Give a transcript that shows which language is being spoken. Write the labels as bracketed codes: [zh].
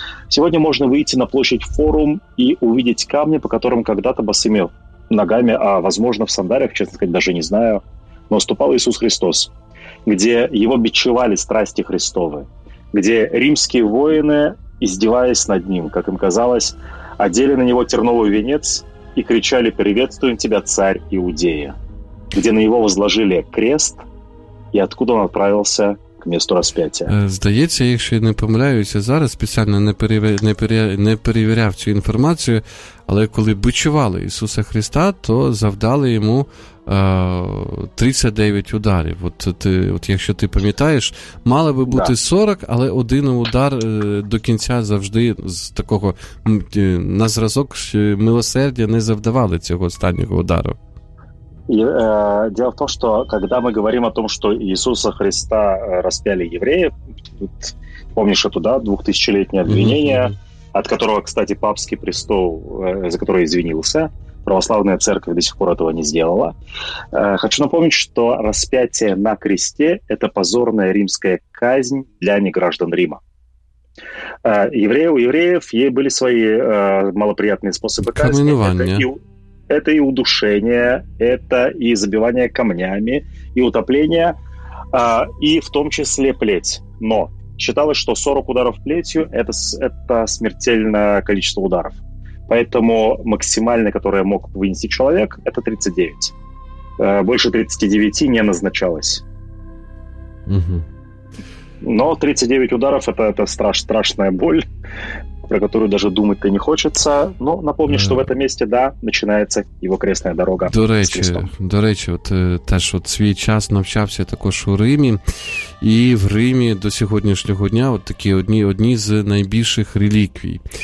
[ru] Сегодня можно выйти на площадь форум и увидеть камни, по которым когда-то босыми ногами, а возможно в сандалиях, честно сказать, даже не знаю, но ступал Иисус Христос, где его бичевали страсти Христовы, где римские воины, издеваясь над ним, как им казалось, одели на него терновый венец и кричали: «Приветствуем тебя, царь Иудея», где на него возложили крест, и откуда он отправился к месту распятия. [uk] Здається, якщо я не помиляюся, зараз спеціально не перевіряв цю інформацію, але коли бичували Ісуса Христа, то завдали йому 39 ударів. От якщо ти пам'ятаєш, мало би бути 40, але один удар до кінця завжди з такого на зразок милосердя не завдавали цього останнього удару. [ru] Дело в том, что когда мы говорим о том, что Иисуса Христа распяли евреи, помнишь это, да, 2000-летнее обвинение, от которого, кстати, папский престол, за который извинился, православная церковь до сих пор этого не сделала. Хочу напомнить, что распятие на кресте – это позорная римская казнь для неграждан Рима. У евреев ей были свои малоприятные способы казни. Каменование. Это и удушение, это и забивание камнями, и утопление, и в том числе плеть. Но считалось, что 40 ударов плетью – это смертельное количество ударов. Поэтому максимальное, которое мог вынести человек, это 39. Больше 39 не назначалось. Угу. Но 39 ударов – это страшная боль, про которую даже думать-то не хочется. Но напомню, что в этом месте, да, начинается его крестная дорога. [uk] До речі, от теж от свій час навчався також у Римі. І в Римі до сьогоднішнього дня от такі одні з найбільших реліквій.